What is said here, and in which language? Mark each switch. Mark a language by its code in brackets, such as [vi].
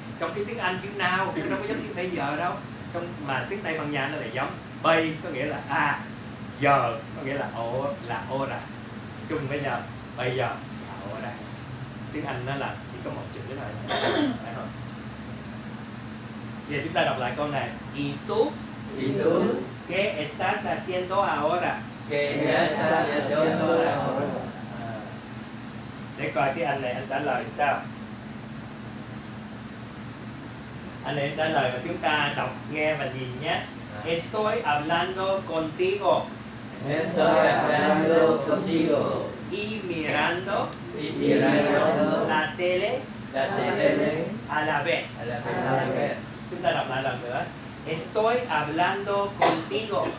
[vi] Trong khi tiếng Anh chữ now nó không có giống như bây giờ đâu. Trong mà tiếng Tây Ban Nha nó lại giống bây có nghĩa là a, giờ có nghĩa là ô, là ora. Chung với nhau bây giờ là ora. Tiếng Anh nó là chỉ có một chữ thôi, phải không? Giờ chúng ta đọc lại câu này. [es] ¿Y tú? ¿Qué estás haciendo ahora? que ya estás haciendo ahora. [vi] Để coi cái anh này anh trả lời làm sao. Anh này trả lời và chúng ta đọc nghe và nhìn nhé. [es] Estoy hablando contigo. Estoy hablando contigo. Y mirando. Y mirando. La tele. La tele. A la vez. A la vez. A la vez. [vi] Chúng ta đọc lại lần nữa. [es] Estoy hablando contigo.